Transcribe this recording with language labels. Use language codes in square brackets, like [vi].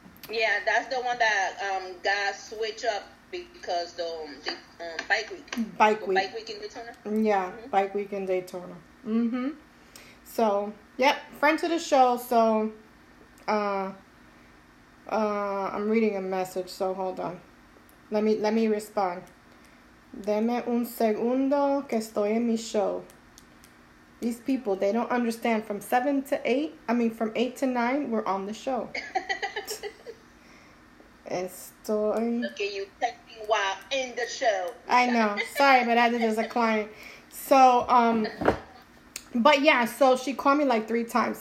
[en] Yeah, that's the one that got switched up because the bike week. Bike week in Daytona? Yeah, mm-hmm. Bike week in Daytona. Mm-hmm. So, yep, friend to the show, so... I'm reading a message, so hold on. Let me respond. [es] Deme un segundo que estoy en mi show. [en] These people, they don't understand from 7 to 8, from 8 to 9, we're on the show. [es] Estoy... [en] Look at you texting while in the show. I know. Sorry, but I did it as a client. So, but yeah, so she called me like 3 times.